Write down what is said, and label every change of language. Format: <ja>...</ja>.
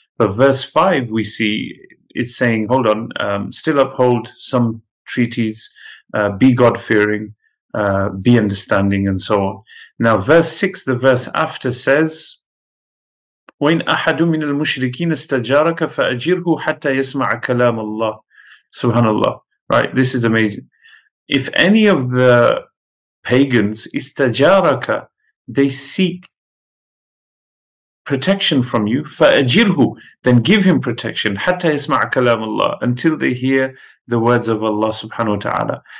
<en>But verse 5, we see, it's saying, hold on, still uphold some treaties, be God-fearing, be understanding, and so on. Now, verse 6, the verse after says,</en> <ar>وَإِنْ أَحَدٌ مِنَ الْمُشْرِكِينَ اسْتَجَارَكَ فَأَجِرْهُ حَتَّى يَسْمَعَ كَلَامَ اللَّهِ.</ar> <en>Subhanallah. Right, this is amazing. If any of the pagans,</en> <ar>استجارك,</ar> <en>they seek protection from you,</en> <ar>فَأَجِرْهُ,</ar> <en>then give him protection,</en> <ar>حَتَّى يَسْمَعْ كَلَامَ اللَّهِ,</ar> <en>until they hear the words of Allah subhanahu wa ta'ala.</en>